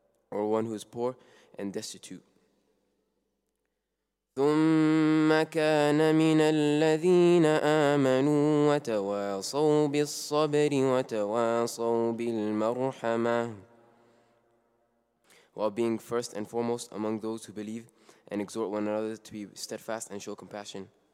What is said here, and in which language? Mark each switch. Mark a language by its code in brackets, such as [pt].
[en] Or one who is poor and destitute. [ar] ثم كان من الذين آمنوا وتواصوا بالصبر وتواصوا بالمرحمة. [en] While being first and foremost among those who believe and exhort one another to be steadfast and show compassion.